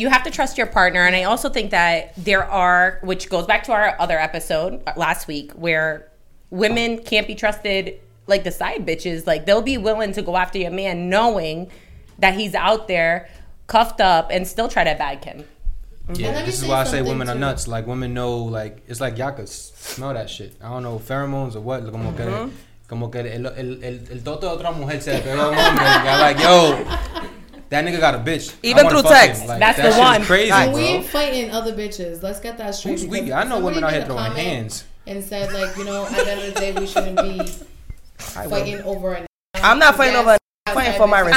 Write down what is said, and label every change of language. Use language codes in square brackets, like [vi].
[en] You have to trust your partner, and I also think that there are, which goes back to our other episode last week, where women can't be trusted, like the side bitches. Like, they'll be willing to go after your man knowing that he's out there cuffed up and still try to bag him. Yeah, this is why I say women are nuts. Like, women know, like, it's like y'all can smell that shit. I don't know, pheromones or what. [es] Like, como que, como que el toto de otra mujer se pegó a un hombre. [en] Y'all like, yo, that nigga got a bitch. Even through text. Like, that's that the one. That shit is crazy, bro. We ain't fighting other bitches. Let's get that straight. Who's we? I know women out here throwing hands. And said, like, you know, at the end of the day, we shouldn't be fighting over a nigga. I'm not fighting over a nigga. I'm fighting for my respect.